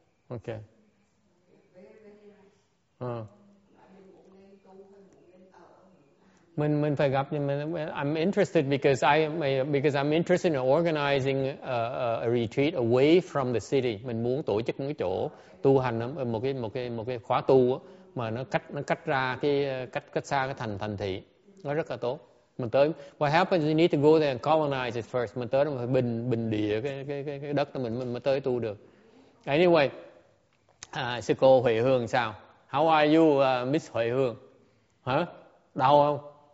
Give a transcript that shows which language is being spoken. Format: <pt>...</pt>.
<en>Okay.</en> <vi>Mình phải gặp</vi> <en>I'm interested because I'm interested in organizing a retreat away from the city.</en> <vi>Mình muốn tổ chức một cái chỗ tu hành một cái khóa tu mà nó cách xa cái thành thị. Nó rất là tốt. Mình tới</vi> <en>what happens you need to go there and colonize it first.</en> <vi>Mình tới phải bình địa cái đất đó mình mới tới tu được.</vi> <en>Anyway,</en> <vi>sư cô Huệ Hương sao?</vi> <en>How are you, Miss Huệ Hương?</en> <vi>Hả? Đau không?</vi>